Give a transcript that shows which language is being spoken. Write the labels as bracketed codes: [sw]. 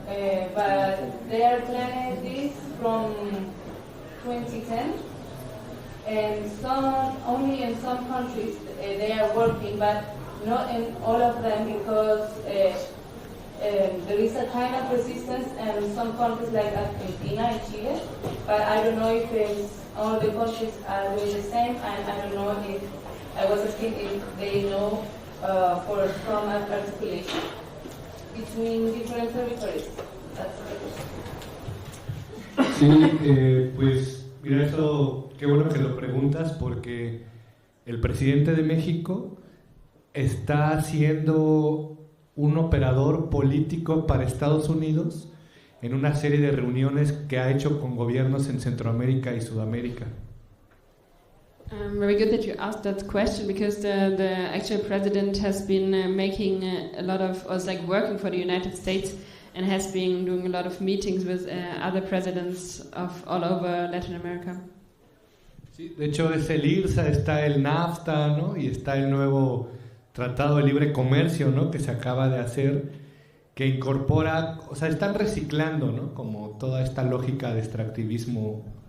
[en] But they are planning this from 2010, and only in some countries they are working, but not in all of them, because there is a kind of resistance in some countries like Argentina and Chile, but I don't know if it's all the countries are doing the same, and I don't know if, I was asking if they know for some articulation between different territories. That's the question. [es] Sí, pues, mira, eso, qué bueno que lo preguntas, porque el presidente de México está siendo un operador político para Estados Unidos en una serie de reuniones que ha hecho con gobiernos en Centroamérica y Sudamérica. [en] Very good that you asked that question, because the actual president has been making a lot of, or is like working for the United States and has been doing a lot of meetings with other presidents of all over Latin America. [es] Sí, de hecho es el IRSA, está el NAFTA, ¿no? Y está el nuevo Tratado de Libre Comercio, ¿no?, que se acaba de hacer, que incorpora, o sea, están reciclando, ¿no?, como toda esta lógica de extractivismo.